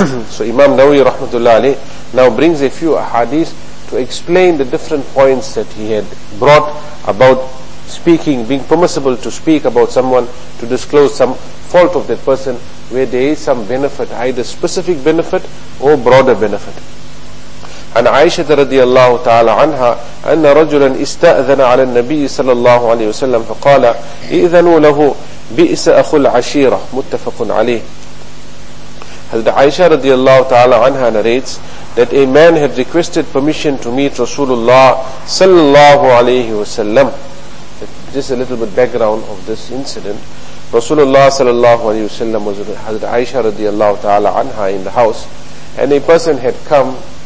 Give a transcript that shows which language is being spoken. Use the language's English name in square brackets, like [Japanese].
[English] So Imam Nawawi rahmatullah alayh now brings a few hadith to explain the different points that he had brought about speaking, being permissible to speak about someone, to disclose some fault of that person, where there is some benefit, either specific benefit or broader benefit. [Arabic] عن عائشة رضي الله تعالى عنها أن رجلا استأذن على النبي صلى الله عليه وسلم فقال إذنوا له بئس أخو العشيرة متفق عليه. حضرت عائشة رضي الله تعالى عنها [English] narrates that a man had requested permission to meet Rasulullah [Arabic] صلى الله عليه وسلم. [English] Just a little bit background of this incident. Rasulullah [Arabic] صلى الله عليه وسلم [English] was [Arabic] حضرت عائشة رضي الله تعالى عنها [English] in the house, and a person had come.